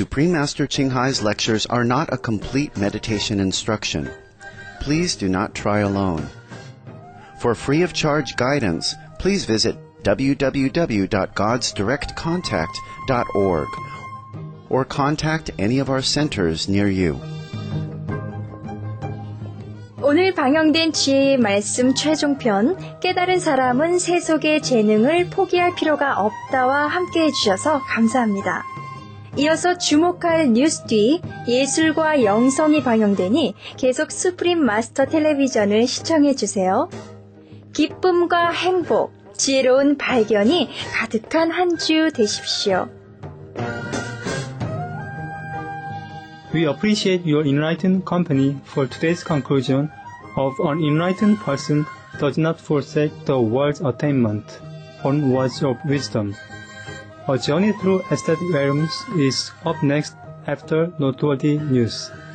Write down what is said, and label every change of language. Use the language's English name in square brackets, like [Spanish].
[English] Master Qinghai's lectures are not a complete meditation instruction. Please do not try alone. For free of charge guidance, please visit www.godsdirectcontact.org or contact any of our centers near you. [Korean] 오늘 방영된 지혜의 말씀 최종편 깨달은 사람은 세 속의 재능을 포기할 필요가 없다와 함께해 주셔서 감사합니다. 이어서 주목할 뉴스 뒤 예술과 영성이 방영되니 계속 스프림 마스터 텔레비전을 시청해 주세요. 기쁨과 행복, 지혜로운 발견이 가득한 한 주 되십시오. [English] We appreciate your enlightened company for today's conclusion of an enlightened person does not forsake the world's attainment on words of wisdom. A journey through aesthetic realms is up next after noteworthy news.